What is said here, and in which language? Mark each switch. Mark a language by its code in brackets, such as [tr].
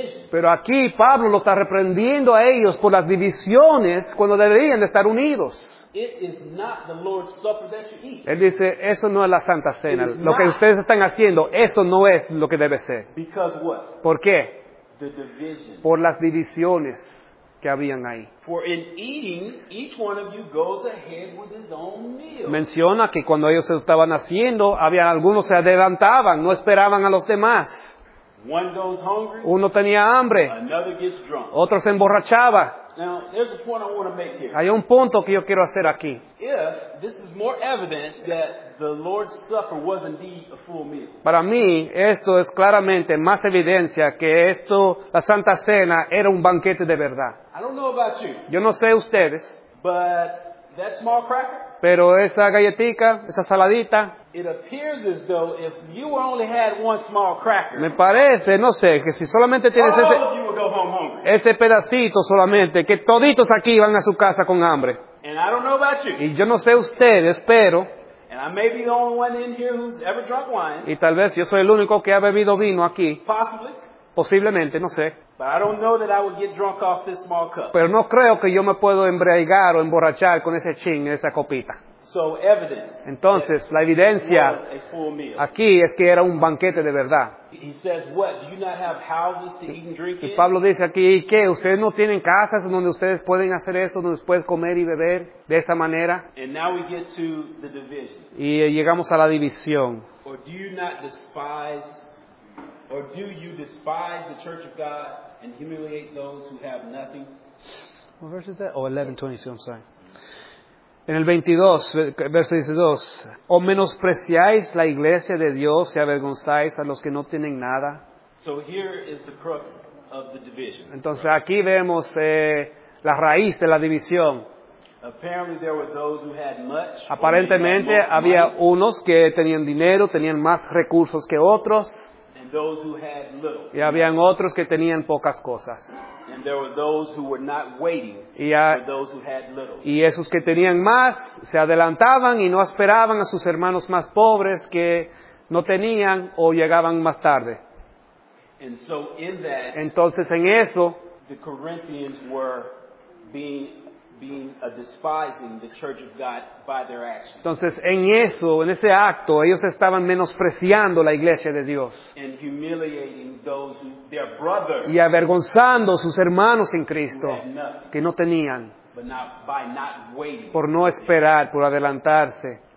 [es] Pero aquí Pablo lo está reprendiendo a ellos por las divisiones cuando deberían de estar unidos. [en] It is not the Lord's Supper that you eat. [es] Él dice, eso no es la Santa Cena. Lo que ustedes están haciendo, eso no es lo que debe ser. [en] Because what? [es] ¿Por qué? [en] The division. [es] Por las divisiones que habían ahí. [en] For in eating, each one of you goes ahead with his own meal. [es] Menciona que cuando ellos estaban haciendo, había algunos se adelantaban, no esperaban a los demás. [en] One goes hungry, [es] uno tenía hambre, [en] another gets drunk. [es] Otro se emborrachaba. [en] Now, there's a point I want to make here. [es] Hay un punto que yo quiero hacer aquí. [en] If this is more evidence that the Lord's Supper was indeed a full meal. [es] Para mí, esto es claramente más evidencia que esto, la Santa Cena, era un banquete de verdad. [en] I don't know about you. [es] Yo no sé ustedes. [en] But that small cracker. [es] Pero esa galletita, esa saladita. [en] It appears as though if you only had one small cracker. [es] Me parece, no sé, que si solamente tienes ese pedacito solamente, que toditos aquí van a su casa con hambre. [en] And I don't know about you. [es] Y yo no sé ustedes, pero. [en] And I may be the only one in here who's ever drunk wine. [es] Y tal vez yo soy el único que ha bebido vino aquí. [en] Possibly. [es] Posiblemente, no sé. [en] But I don't know that I would get drunk off this small cup. [es] Pero no creo que yo me puedo embriagar o emborrachar con ese chin, esa copita. [en] So evidence. [es] Entonces, la evidencia aquí es que era un banquete de verdad. [en] He says, what? Do you not have houses to eat and drink in? [es] Y Pablo dice aquí, ¿y qué? ¿Ustedes no tienen casas donde ustedes pueden hacer esto, donde pueden comer y beber de esa manera? [en] And now we get to the division. [es] Y llegamos a la división. [en] Or do you not despise Or do you despise the church of God and humiliate those who have nothing? What verse is that? Oh, 11:22, I'm sorry. [es] En el 22, verso 22, ¿o menospreciáis la iglesia de Dios y avergonzáis a los que no tienen nada? [en] So here is the crux of the division. [es] Entonces aquí vemos la raíz de la división. [en] Apparently there were those who had much. [es] Aparentemente había unos que tenían dinero, tenían más recursos que otros. [en] Those who had little. [es] Y habían otros que tenían pocas cosas. [en] And there were those who were not waiting for those who had little. [es] Y esos que tenían más se adelantaban y no esperaban a sus hermanos más pobres que no tenían o llegaban más tarde. [en] And so in that, [es] entonces en eso, [en] the Corinthians were being despising the church of God by their actions. [es] Entonces, en eso, en ese acto, ellos estaban menospreciando la iglesia de Dios. [en] And humiliating those who, their brothers. [es] Y avergonzando sus hermanos en Cristo que no tenían. [en] But not, by not waiting. [es] Por no esperar, por adelantarse.